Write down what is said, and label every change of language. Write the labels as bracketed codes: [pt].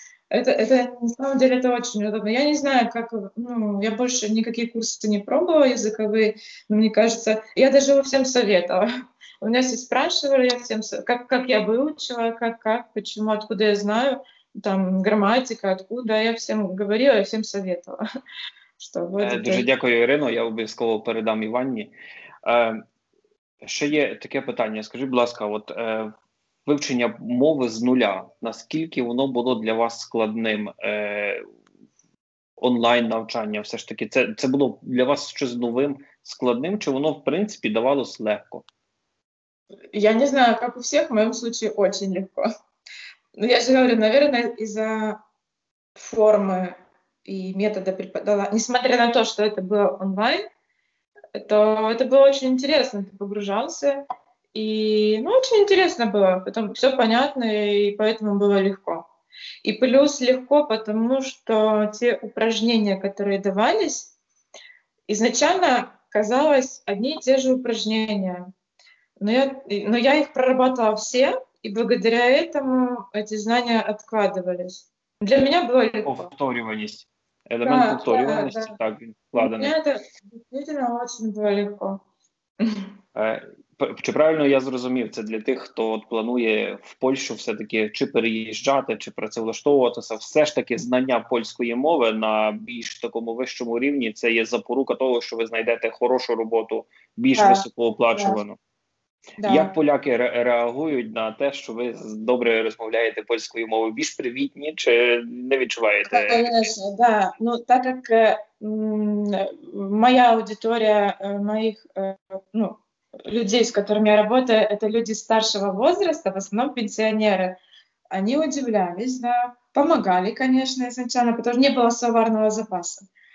[ru] Это на самом деле это очень удобно. Я не знаю, как, ну, я больше никакие курсы-то не пробовала языковые, но мне кажется, я даже его всем советовала. У меня все спрашивали, я всем, как я выучила, как, почему, откуда я знаю, там, грамматика, откуда, я всем говорила, я всем советовала. [uk] Що буде? Дуже дякую, Ірино. Я обов'язково передам Іванні. Ще є таке питання. Скажіть, будь ласка, от вивчення мови з нуля, наскільки воно було для вас складним? Онлайн навчання, все ж таки, це було для вас щось новим, складним, чи воно в принципі давалось легко? Я не знаю, як у всіх, в моєму випадку дуже легко. [ru] Ну я ж говорю, наверное, із-за форми и метода преподавания, несмотря на то, что это было онлайн, то это было очень интересно, ты погружался, и, ну, очень интересно было, потом все понятно, и поэтому было легко. И плюс легко, потому что те упражнения, которые давались, изначально казалось одни и те же упражнения, но я их прорабатывала все, и благодаря этому эти знания откладывались. Для меня было легко. [uk] Повторюваність. Елемент повторюваності, так, він вкладений. Мені це дуже було легко. Чи правильно я зрозумів, це для тих, хто от планує в Польщу все-таки чи переїжджати, чи працевлаштовуватися, все ж таки знання польської мови на більш такому вищому рівні, це є запорука того, що ви знайдете хорошу роботу, більш високооплачувану. Да. Як поляки реагують на те, що ви добре розмовляєте польською мовою? Більш привітні чи не відчуваєте? Звісно, да. Ну, так як моя аудиторія моїх людей, [ru] з которыми я работаю, это люди старшого возраста, в основном пенсионеры, они удивлялись, да, помогали, конечно, изначально, потому что не было словарного запаса.